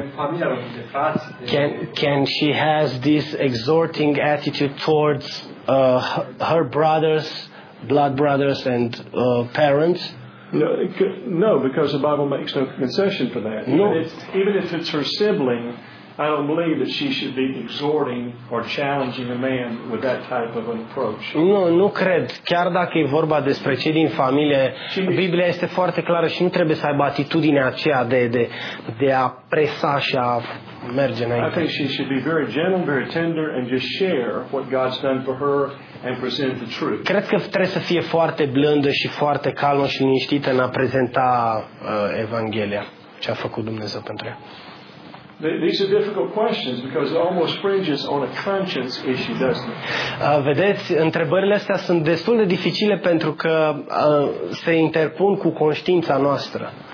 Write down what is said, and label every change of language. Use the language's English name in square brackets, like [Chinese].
[English] Can she has this exhorting attitude towards her brothers, blood brothers and parents? No, because the Bible makes no concession for that. No. Even if it's her sibling, I don't believe that she should be exhorting or challenging a man with that type of an approach. [Romanian] Nu cred. Chiar dacă e vorba despre cei din familie, Biblia este foarte clară și nu trebuie să aibă atitudinea aceea de a presa și a merge înainte. [English] I think she should be very gentle, very tender, and just share what God's done for her and present the truth. [Romanian] Cred că trebuie să fie foarte blândă și foarte calmă și liniștită în a prezenta Evanghelia, ce a făcut Dumnezeu pentru ea. [English] These are difficult questions because it almost fringes on a conscience issue, doesn't it? [Romanian] Vedeți, întrebările astea sunt destul de dificile pentru că se interpun cu conștiința noastră.